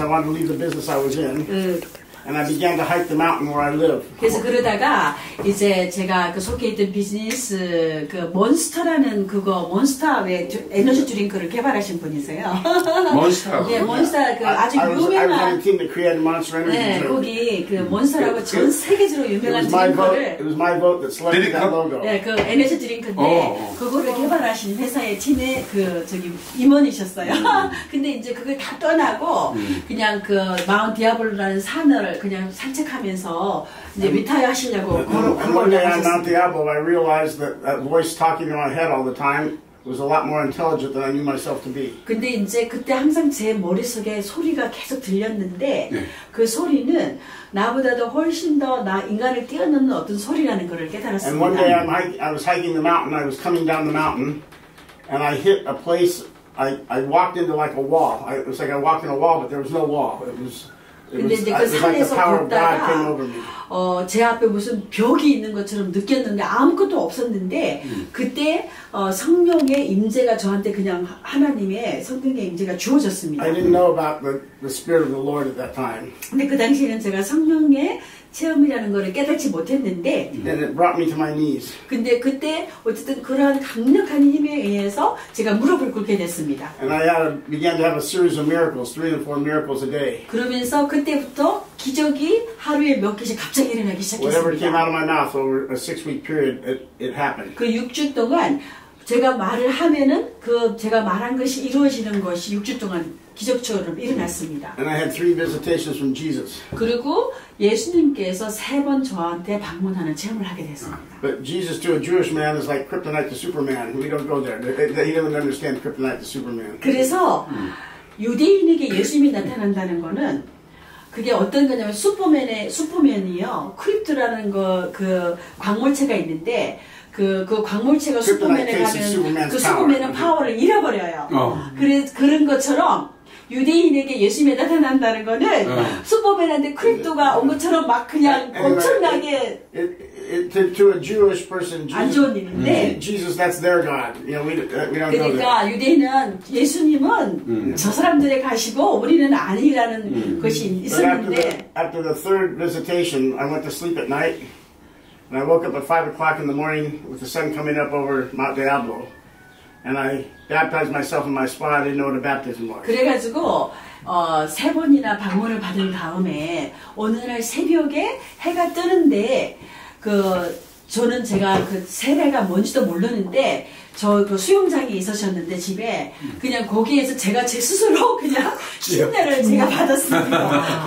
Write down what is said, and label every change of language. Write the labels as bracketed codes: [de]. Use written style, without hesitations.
[en] I wanted to leave the business I was in. And I began to hike the mountain where I live. [ko] 그래서 그러다가 이제 제가 그 속해 있던 비즈니스 그 몬스터라는 그거 몬스터의 에너지 드링크를 개발하신 분이세요. 몬스터. 예, 몬스터 그 아주 유명한. [en] I was on a team that created Monster Energy. [ko] 네, 거기 그 몬스터라고 전 세계적으로 유명한 드링크를. [en] It was my vote that selected that logo. [ko] 네, 그 에너지 드링크인데 그거를 개발하신 회사의 팀의 그 저기 임원이셨어요. 근데 이제 그걸 다 떠나고 그냥 그 마운트 디아블로라는 산을 그냥 산책하면서 이제 리타이어하시려고 걸어가셨어요. [en] Mount Diablo, I realized that that voice talking in my head all the time was a lot more intelligent than I knew myself to be. [ko] 근데 이제 그때 항상 제 머릿속에 소리가 계속 들렸는데 그 소리는 나보다도 훨씬 더 나 인간을 뛰어넘는 어떤 소리라는 것을 깨달았습니다. [en] And one day I was hiking the mountain. I was coming down the mountain, and I hit a place. I walked into like a wall. It was like I walked in a wall, but there was no wall. It was [ko] 근데 이제 그 산에서 걷다가 제 앞에 무슨 벽이 있는 것처럼 느꼈는데 아무것도 없었는데 그때 성령의 임재가 저한테 그냥 하나님의 성령의 임재가 주어졌습니다. [en] I didn't know about the spirit of the Lord at that time. [ko] 근데 그 당시에는 제가 성령의 체험이라는 것을 깨닫지 못했는데 [en] And it brought me to my knees. [ko] 근데 그때 어쨌든 그러한 강력한 힘에 의해서 제가 무릎을 꿇게 됐습니다. [en] And I had began to have a series of miracles, 3 to 4 miracles a day. [ko] 그러면서 그때부터 기적이 하루에 몇 개씩 갑자기 일어나기 시작했습니다. [en] Whatever came out of my mouth over a 6-week period, it happened. [ko] 그 6주 동안 제가 말을 하면은 그 제가 말한 것이 이루어지는 것이 6주 동안 기적처럼 일어났습니다. [en] And I had 3 visitations from Jesus. [ko] 그리고 예수님께서 세 번 저한테 방문하는 체험을 하게 됐습니다. [en] But Jesus to a Jewish man is like kryptonite to Superman. We don't go there. He doesn't understand kryptonite to Superman. [ko] 그래서 유대인에게 예수님이 나타난다는 거는 그게 어떤 거냐면 슈퍼맨이요. 크립트라는 거 그 광물체가 있는데 그 광물체가 슈퍼맨에 가면 그 슈퍼맨은 파워를 잃어버려요. 그런 것처럼 유대인에게 예수님이 나타난다는 거는 슈퍼맨한테 크립토가 온 것처럼 막 그냥 엄청나게 [en] to a Jewish person, Jesus, [ko] 안 좋은 일인데 [en] Jesus, that's their God. You know, we don't [ko] 그러니까 [en] know [ko] 유대인은 예수님은 저 사람들의 가시고 우리는 아니라는 것이 있었는데 [en] after the third visitation, I went to sleep at night and I woke up at 5 o'clock in the morning with the sun coming up over Mount Diablo. And I baptized myself in my spot. I didn't know what a baptism was. [ko] 그래가지고 세 번이나 방문을 받은 다음에 어느 날 새벽에 해가 뜨는데 그 저는 제가 그 세례가 뭔지도 모르는데 저 그 수영장이 있으셨는데 집에 그냥 거기에서 제가 제 스스로 그냥 침례를 제가 받았습니다.